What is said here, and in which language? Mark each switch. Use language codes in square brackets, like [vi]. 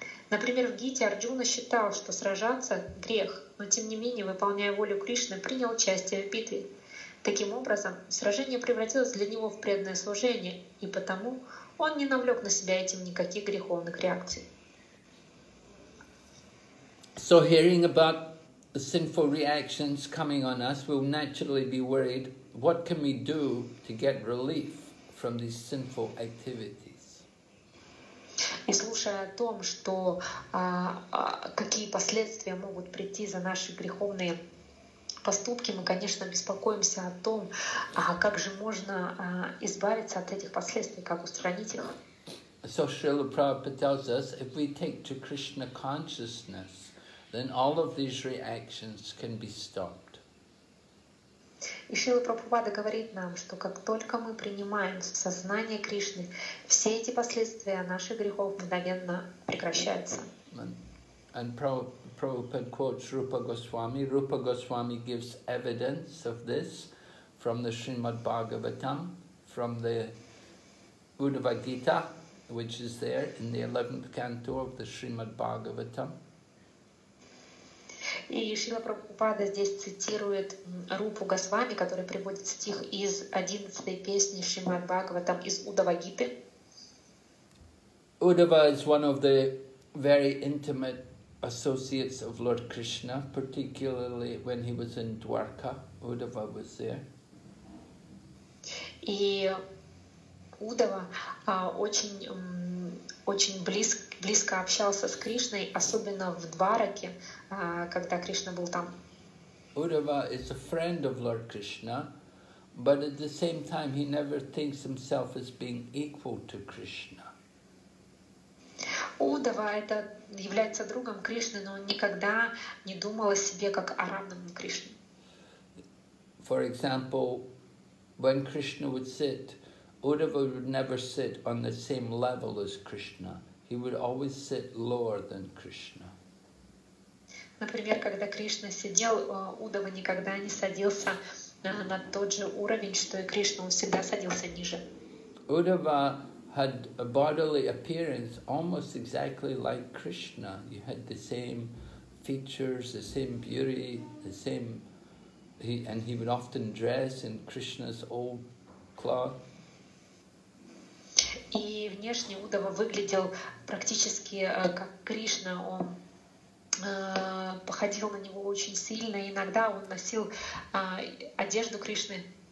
[ru] Например, в Гите Арджуна считал, что сражаться – грех, но тем не менее, выполняя волю Кришны, принял участие в битве. Таким образом, сражение превратилось для него в преданное служение, и потому он не навлек на себя этим никаких греховных реакций. [en] So hearing about the sinful reactions coming on us, we'll naturally be worried, what can we do to get relief from these sinful activities? [ru] И слушая о том, что какие последствия могут прийти за наши греховные поступки, мы, конечно, беспокоимся о том, как же можно избавиться от этих последствий, как устранить их. [en] So Srila Prabhupada tells us, if we take to Krishna consciousness, then all of these reactions can be stopped. [ru] И Шрила Прабхупада говорит нам, что как только мы принимаем сознание Кришны, все эти последствия наших грехов мгновенно прекращаются. [en] And Prabhupada quotes Rupa Goswami. Rupa Goswami gives evidence of this from the Srimad Bhagavatam, from the Uddhava Gita, which is there in the 11th canto of the Srimad Bhagavatam. [ru] И Шрила Прабхупада здесь цитирует Рупу Госвами, который приводит стих из 11-й песни Шримад Бхагаватам из Удава Гиты. [en] Удава is one of the very intimate associates of Lord Krishna, particularly when he was in Dwarka. Удава was there. [ru] И Удава очень близко общался с Кришной, особенно в Двараке, когда Кришна был там. [en] Uddhava is a friend of Lord Krishna, but at the same time he never thinks himself as being equal to Krishna. [ru] Uddhava это является другом Кришны, но он никогда не думал о себе как о равном Кришне. [en] For example, when Krishna would sit, Uddhava would never sit on the same level as Krishna. He would always sit lower than Krishna. [ru] Например, когда Кришна сидел, Удава никогда не садился на тот же уровень, что и Кришна, он всегда садился ниже. [en] Udava had a bodily appearance almost exactly like Krishna. You had the same features, the same beauty, the same he would often dress in Krishna's old cloth. [ru] И внешне Удава выглядел практически как Кришна. Он походил на него очень сильно. Иногда он носил одежду Кришны.